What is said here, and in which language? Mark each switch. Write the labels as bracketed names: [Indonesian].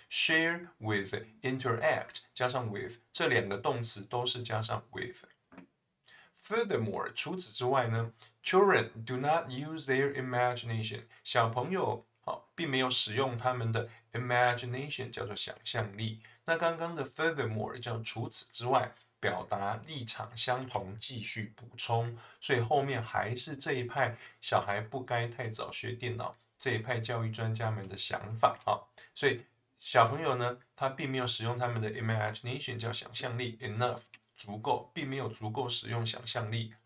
[English] Share with interact 加上 with [Chinese] 这两个动词都是加上 [English] with。 Furthermore， [Chinese] 除此之外呢， [English] Children do not use their imagination。 [Chinese] 小朋友好，并没有使用他们的 imagination 叫做想象力。那刚刚的 furthermore 叫除此之外，表达立场相同，继续补充，所以后面还是这一派小孩不该太早学电脑这一派教育专家们的想法啊，所以小朋友呢，他并没有使用他们的 imagination 叫想象力 enough 足够，并没有足够使用想象力。